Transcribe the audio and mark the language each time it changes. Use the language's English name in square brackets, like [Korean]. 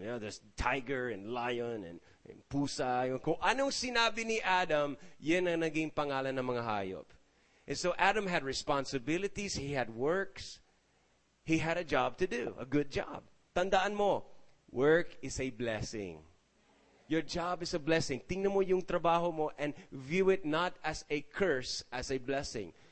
[English] You know, there's tiger and lion and pusa. [Filipino] Kung anong sinabi ni Adam, yan ang naging pangalan ng mga hayop. [English] And so Adam had responsibilities, he had works. He had a job to do, a good job. [Filipino] Tandaan mo, [English] work is a blessing. Your job is a blessing. [Filipino] Tingnan mo yung trabaho mo [English] and view it not as a curse, as a blessing.